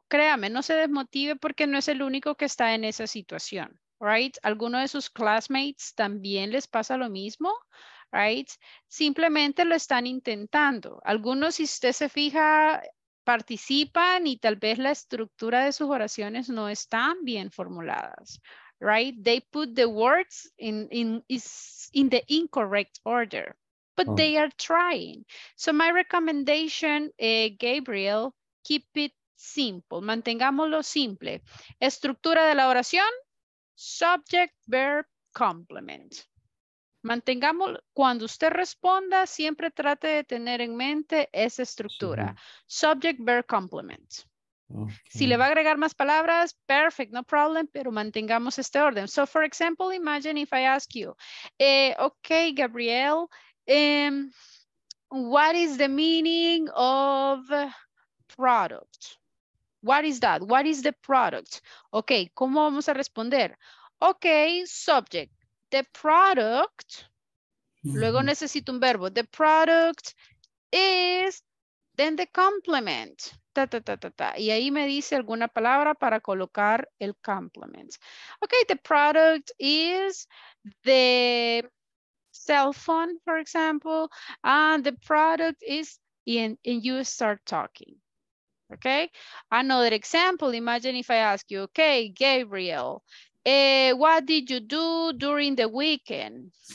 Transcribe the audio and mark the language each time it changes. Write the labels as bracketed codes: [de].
[es] Créame, no se desmotive porque no es el único que está en esa situación. [en] Right? [es] ¿Alguno de sus classmates también les pasa lo mismo? [en] Right? [es] Simplemente lo están intentando. Algunos, si usted se fija, participan y tal vez la estructura de sus oraciones no están bien formuladas. [en] Right? They put the words in the incorrect order. but oh. they are trying. So my recommendation, Gabriel, keep it simple. [es] Mantengámoslo simple. Estructura de la oración, [en] subject, verb, complement. [es] Mantengámoslo, cuando usted responda, siempre trate de tener en mente esa estructura. Sí. [en] Subject, verb, complement. Okay. [es] Si le va a agregar más palabras, [en] perfect, no problem, [es] pero mantengamos este orden. [en] So, for example, imagine if I ask you, okay, Gabriel, what is the meaning of product? What is that? What is the product? Okay, [es] ¿cómo vamos a responder? [en] Okay, subject, the product, [es] luego necesito un verbo, [en] the product is, then the complement. Ta, ta, ta, ta, ta. [es] Y ahí me dice alguna palabra para colocar el complement. [en] Okay, the product is the cell phone, for example, and the product is, and you start talking. Okay, another example, imagine if I ask you, okay, Gabriel, what did you do during the weekend?